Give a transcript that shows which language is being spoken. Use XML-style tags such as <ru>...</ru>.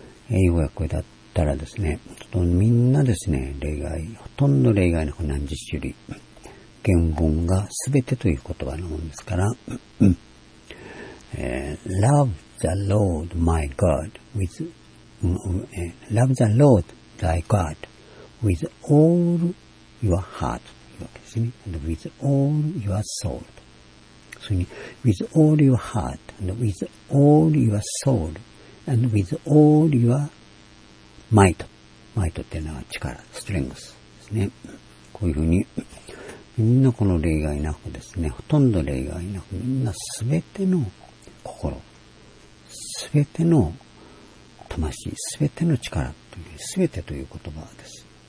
<ja>英語訳だってたらですね、ちょっとみんなですね、例外、ほとんど例外なく何十種類、原文が全てという言葉のものですから、</ja> <en>Love the Lord my God with, Love the Lord thy God with all your heart</en> <ja>というわけですね、</ja> <en>and with all your soul。それに、with all your heart, and with all your soul, and with all your might.</en> <ja>might っていうのは力、strength ですね。こういうふうに、みんなこの例外なくですね、ほとんど例外なく、みんなすべての心、すべての魂、すべての力という、すべてという言葉です。</ja>